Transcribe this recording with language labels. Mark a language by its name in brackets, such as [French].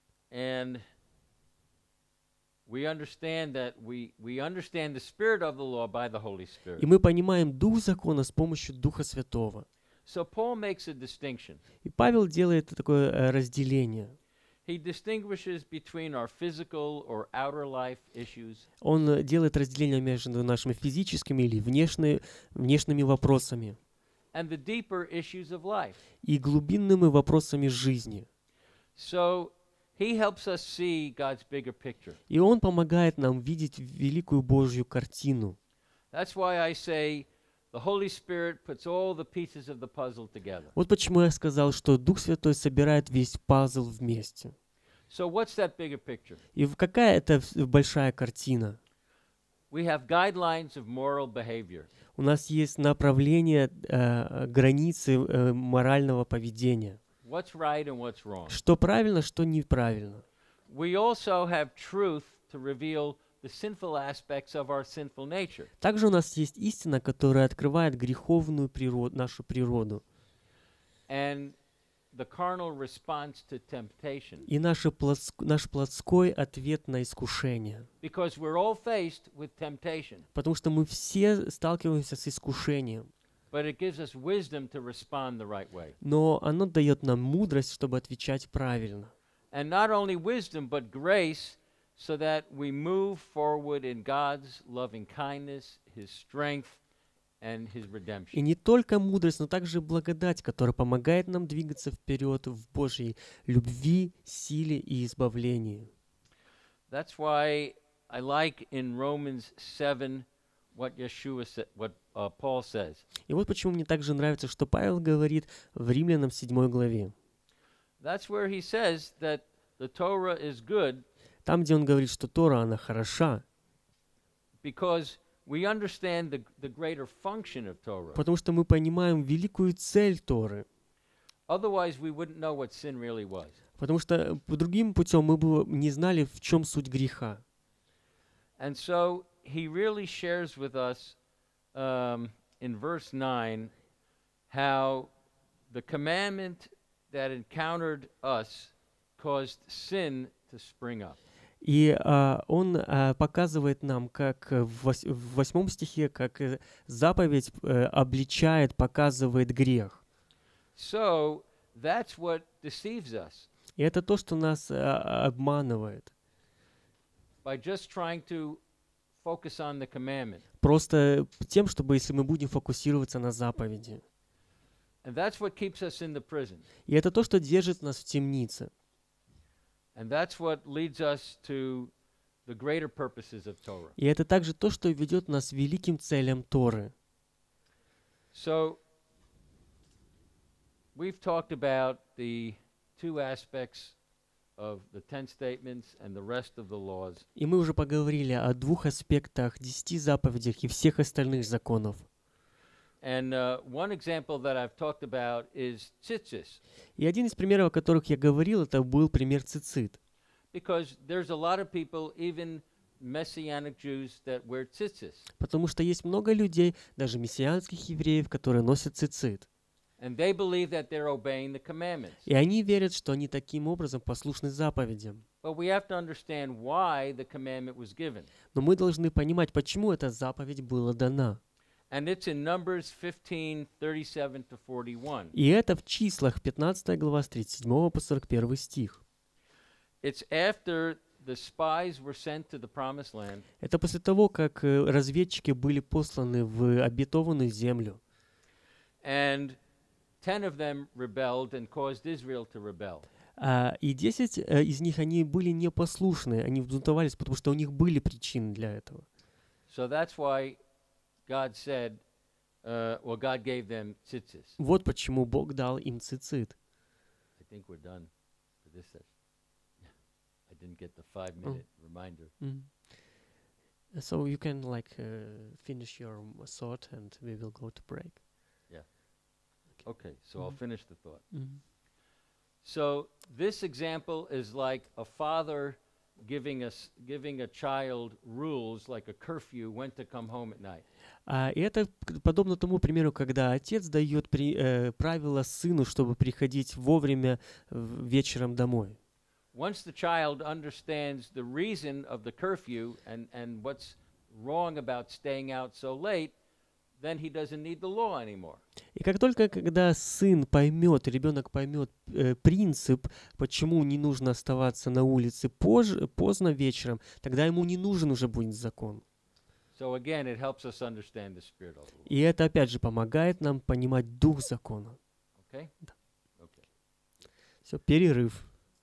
[English] And we understand that we understand the spirit of the law by the Holy Spirit. [Russian] И мы понимаем дух закона с помощью Духа Святого. [English] So Paul makes a distinction. [Russian] И Павел делает такое разделение. [English] He distinguishes between our physical or outer life issues. [Russian] Он делает разделение между нашими физическими или внешними вопросами. [English] And the deeper issues of life. [Russian] И глубинными вопросами жизни. [English] So he helps us see God's bigger picture. [Russian] И он помогает нам видеть великую Божью картину. [English] That's why I say the Holy Spirit puts all the pieces of the puzzle together. [Russian] Вот почему я сказал, что Дух Святой собирает весь пазл вместе. [English] So what's that bigger picture? [Russian] И какая это большая картина? [English] We have guidelines of moral behavior. [Russian] У нас есть направление, границы морального поведения. [English] What's right and what's wrong? [Russian] Что правильно, что неправильно. [English] We also have truth to reveal the sinful aspects of our sinful nature. [Russian] Также у нас есть истина, которая открывает греховную природу, нашу природу. [English] And the carnal response to temptation. [Russian] И наш плотской ответ на искушение. [English] Because we're all faced with temptation. [Russian] Потому что мы все сталкиваемся с искушением. [English] But it gives us wisdom to respond the right way. [Russian] Но оно дает нам мудрость, чтобы отвечать правильно. [English] And not only wisdom, but grace, so that we move forward in God's loving kindness, His strength, and His redemption. [Russian] И не только мудрость, но также благодать, которая помогает нам двигаться вперед в Божьей любви, силе и избавлении. [English] That's why I like in Romans 7 what Yeshua said, what Paul says. [Russian] И вот почему мне также нравится, что Павел говорит в Римлянам 7 главе. [English] That's where he says that the Torah is good. [Russian] Там, где он говорит, что Тора, она хороша. [English] Because we understand the greater function of Torah. [Russian] Потому что мы понимаем великую цель Торы. [English] Otherwise we wouldn't know what sin really was. [Russian] Потому что по другим путем мы бы не знали, в чем суть греха. [English] And so he really shares with us in verse 9 how the commandment that encountered us caused sin to spring up. [Russian] И он показывает нам, как в 8 стихе, как заповедь обличает, показывает грех. [English] So that's what deceives us. [Russian] И это то, что нас обманывает. [English] By just trying to focus on the commandment. [Russian] Просто тем, чтобы если мы будем фокусироваться на заповеди. [English] And that's what keeps us in the prison. [Russian] И это то, что держит нас в темнице. [English] And that's what leads us to the greater purposes of Torah. [Russian] И это также то, что ведет нас к великим целям Торы. [English] So we've talked about the two aspects of the Ten Statements and the rest of the laws. [Russian] И мы уже поговорили о двух аспектах, десяти заповедях и всех остальных законов. [English] And one example that I've talked about is tzitzis. [Russian] И один из примеров, о которых я говорил, это был пример цицит. [English] Because there's a lot of people, even messianic Jews, that wear tzitzis. [Russian] Потому что есть много людей, даже мессианских евреев, которые носят цицит. [English] And they believe that they're obeying the commandments. [Russian] И они верят, что они таким образом послушны заповедям. [English] But we have to understand why the commandment was given. [Russian] Но мы должны понимать, почему эта заповедь была дана. [English] And it's in Numbers 15:37-41. [Russian] И это в числах 15 глава с 37 по 41 стих. [English] It's after the spies were sent to the promised land. [Russian] Это после того, как разведчики были посланы в обетованную землю. [English] And 10 of them rebelled and caused Israel to rebel. [Russian] И 10 из них они были непослушны, они взбунтовались, потому что у них были причины для этого. [English] So that's why God said, well, God gave them tzitzis. [Russian] Вот почему Бог дал им цицит. [English] I think we're done for this session. I didn't get the 5-minute reminder. Mm-hmm. So you can like finish your thought and we will go to break. Yeah. Okay, so mm-hmm. I'll finish the thought. Mm-hmm. So this example is like a father giving a child rules like a curfew when to come home at night. [Russian] И это подобно тому примеру, когда отец дает правила сыну, чтобы приходить вовремя вечером домой. [English] Once the child understands the reason of the curfew and what's wrong about staying out so late, then he doesn't need the law anymore. [Russian] И как только когда сын поймет, ребенок поймет принцип, почему не нужно оставаться на улице поздно вечером, тогда ему не нужен уже будет закон. [English] So again, it helps us understand the spirit of the law. [Russian] И это опять же помогает нам понимать дух закона. [English] Okay? [Russian] Да. Okay. Все, перерыв.